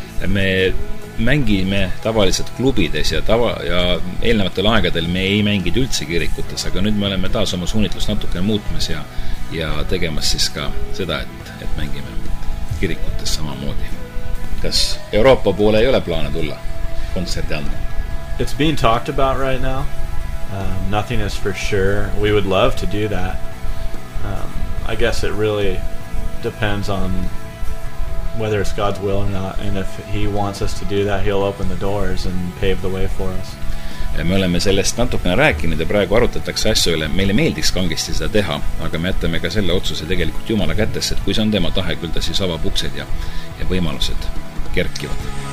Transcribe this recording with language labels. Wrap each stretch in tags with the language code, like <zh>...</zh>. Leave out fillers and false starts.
<et>Ja me mängime tavaliselt klubides ja eelnevatel aegadel me ei mängid üldse kirikutes, aga nüüd me oleme taas oma suunitlust natuke muutmas ja tegemas siis ka seda, et mängime kirikutes samamoodi. Kas Euroopa poole ei ole plaane tulla kontserti anda?</et> <en>It's being talked about right now. Nothing is for sure. We would love to do that. I guess it really depends on whether it's God's will or not, and if he wants us to do that, he'll open the doors and pave the way for us.</en> <et>Ja me oleme sellest natukene rääkinud ja praegu arutatakse asju üle. Meile meeldiks kangesti seda teha, aga me jätame ka selle otsuse tegelikult Jumala kätes, et kui see on tema tahe, küll ta siis avab uksed ja võimalused kerkivad.</et>